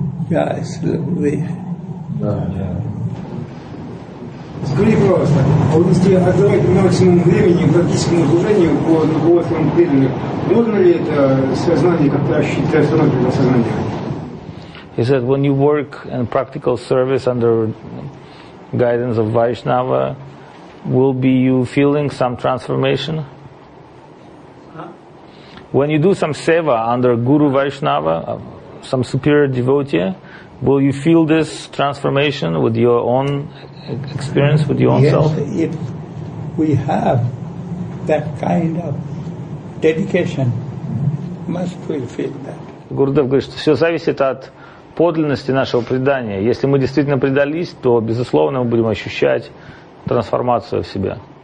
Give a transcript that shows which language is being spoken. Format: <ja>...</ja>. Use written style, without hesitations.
<en>Yes,</en> <ru>скажи, пожалуйста, если отдавать максимум времени практическому служению по духовному преданию, можно ли это сознание как-то ощутить, остановить это сознание?</ru> <en>He said, when you work in practical service under guidance of Vaishnava, will be you feeling some transformation? When you do some seva under Guru Vaishnava, some superior devotee, will you feel this transformation with your own experience, with your own self? Yes, if we have that kind of dedication, must we feel that?</en> <ru>Gurudev говорит, что все зависит от подлинности нашего предания. Если мы действительно предались, то, безусловно, мы будем ощущать трансформацию в себе.</ru>